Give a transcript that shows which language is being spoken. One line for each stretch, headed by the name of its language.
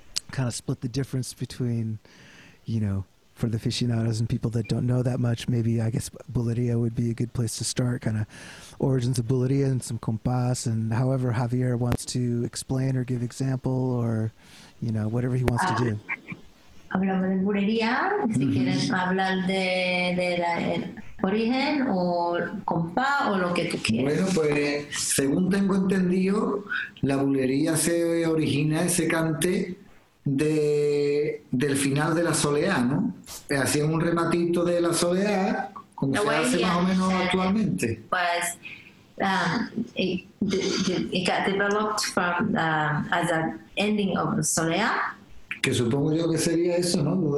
English: kind of split the difference between, you know, for the aficionados and people that don't know that much, maybe I guess Bulería would be a good place to start, kind of origins of Bulería and some compás, and however Javier wants to explain or give example or, you know, whatever he wants to do.
Spanish: Hablamos de Bulería, si quieres hablar de la, el origen o compás o lo que tú quieras. Bueno, pues según tengo entendido, la Bulería se origina ese cante del final de la Soleá, ¿no? Hacían un rematito de la Soleá, como la se bulería, hace más o menos actualmente. Pues,
English: it got developed from as an ending of the Soleá.
Spanish: Que supongo yo que sería eso, ¿no?